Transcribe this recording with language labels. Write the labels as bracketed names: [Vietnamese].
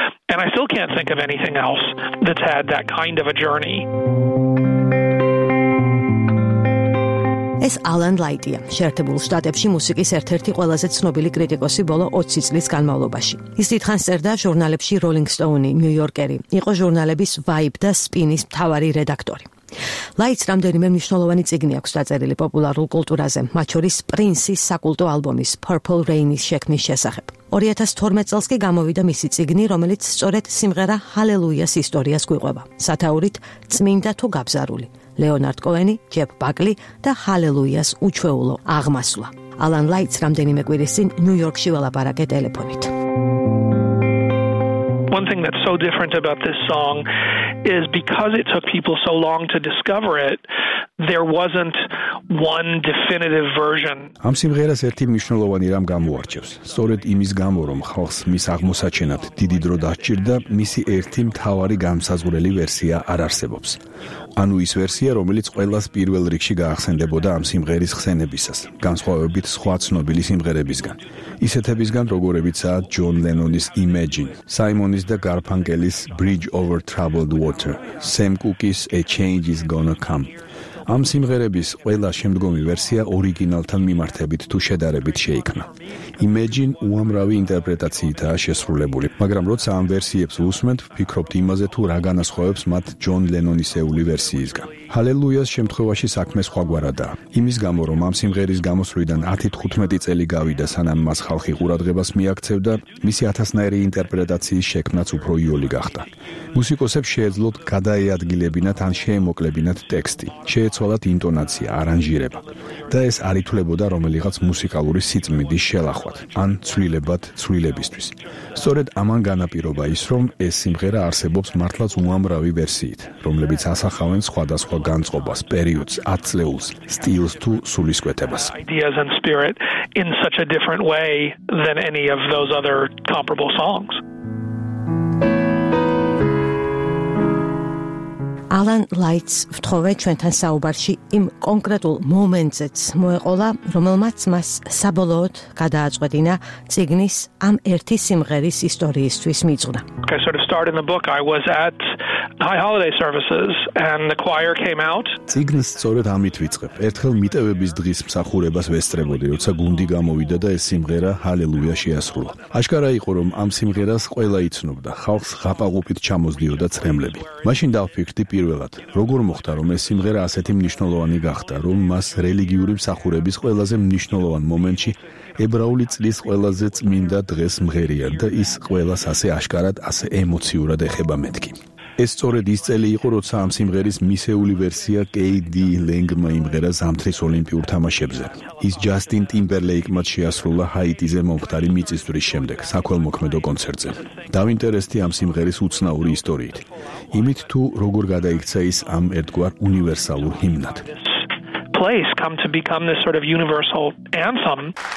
[English] And I still can't think of anything else that's had that kind of a journey. [Georgian] ეს ალან ლაიტია, შეერთებულ შტატებში მუსიკის ერთ-ერთი ყველაზე ცნობილი კრიტიკოსი ბოლო 20 წლის განმავლობაში. ის დიდხანს წერდა ჟურნალებში Rolling Stone, New Yorker-ი, იყო ჟურნალების Vibe და Spin-ის მთავარი რედაქტორი. ლაიტს რამდენიმე მნიშვნელოვანი წიგნი აქვს დაწერილი პოპულარულ კულტურაზე, მათ შორის პრინსის საკულტო ალბომის Purple Rain-ის შექმნის შესახებ. 2012 წელს კი გამოვიდა მისი წიგნი, რომელიც სწორედ სიმღერა Halleluja's ისტორიას გვიყვება. სათაურით: წმინდა თუ გაბზარული. ლეონარდ კოენი, ჯეფ ბაკლი და Halleluja's უჩვეულო აღმასვლა. ალან ლაიტს რამდენიმე კვირის წინ ნიუ-იორკში ველაპარაკე ტელეფონით. [English] One thing that's so different about this song is because it took people so long to discover it, there wasn't one definitive version. [Georgian] ამ სიმღერას ერთი მნიშვნელოვანი რამ გამოარჩევს. სწორედ იმის გამო, რომ ხალხს მის აღმოსაჩენად დიდი დრო დასჭირდა, მისი ერთი მთავარი განსაზღვრელი ვერსია არ არსებობს. ანუ ის ვერსია, რომელიც ყველას პირველ რიგში გაახსენდებოდა ამ სიმღერის ხსენებისას, განსხვავებით სხვა ცნობილი სიმღერებისგან. ისეთებისგან, როგორებიცაა ჯონ ლენონის Imagine, საიმონის და გარფანკელის Bridge Over Troubled Water, Sam Cooke-ის A Change Is Gonna Come. ამ სიმღერების ყველა შემდგომი ვერსია ორიგინალთან მიმართებით თუ შედარებით შეიქმნა. Imagine უამრავი ინტერპრეტაციითაა შესრულებული, მაგრამ როცა ამ ვერსიებს უსმენთ, ფიქრობთ იმაზე, თუ რა განასხვავებს მათ ჯონ ლენონისეული ვერსიისგან. Halleluja's შემთხვევაში საქმე სხვაგვარადაა. იმის გამო, რომ ამ სიმღერის გამოსვლიდან 10-15 წელი გავიდა, სანამ მას ხალხი ყურადღებას მიაქცევდა, მისი ათასნაირი ინტერპრეტაციის შექმნაც უფრო იოლი გახდა. მუსიკოსებს შეეძლოთ გადაეადგილებინათ ან შეემოკლებინათ ტექსტი, შეეცვალათ ინტონაცია, არანჟირება და ეს არ ითვლებოდა რომელიღაც მუსიკალური სიწმინდის შელახვად ან ცვლილებად ცვლილებისთვის. სწორედ ამან განაპირობა ის, რომ ეს სიმღერა არსებობს მართლაც უამრავი ვერსიით, რომლებიც ასახავენ სხვადასხვა განწყობას, პერიოდს, ათწლეულს, სტილს თუ სულისკვეთებას. [English] Ideas and spirit in such a different way than any of those other comparable songs. [Georgian] Alan Lights ვთხოვე ჩვენთან საუბარში იმ კონკრეტულ მომენტზეც მოეყოლა, რომელმაც მას საბოლოოდ გადააწყვეტინა ციგნის ამ ერთი სიმღერის ისტორიისთვის მიძღვნა. [English] I sort of started in the book I was at High Holiday Services and the choir came out. [Georgian] Цигнс სწორედ ამით ვიწყებ. ერთხელ მიტევების დღის მსახურებას ვესწრებოდი, როცა გუნდი გამოვიდა და ეს სიმღერა ჰალელუია შეასრულა. აშკარა იყო, რომ ამ სიმღერას ყველა იცნობდა, ხალხს ღაპაღუპით ჩამოსდიოდა ცრემლები. მაშინ დავფიქრდი პირველად, როგორ მოხდა, რომ ეს სიმღერა ასეთი მნიშვნელოვანი გახდა, რომ მას რელიგიური მსახურების ყველაზე მნიშვნელოვან მომენტში ებრაული წლის ყველაზე წმინდა დღეს მღერია და ის ყველას ასე აშკარად, ასე ემოციურად ეხება მეთქი. ეს სწორედ ის წელი იყო, როცა ამ სიმღერის მისეული ვერსია კეიდი ლენგმა იმღერა ზამთრის ოლიმპიურ თამაშებზე. ის ჯასტინ ტიმბერლეიკმა შეასრულა ჰაიტიზე მომხდარი მიწისძვრის შემდეგ საქველმოქმედო კონცერტზე. დავინტერესდი ამ სიმღერის უცნაური ისტორიით, იმით თუ როგორ გადაიქცა ის ამ ერთგვარ უნივერსალურ ჰიმნად. [English] Place come to become this sort of universal anthem.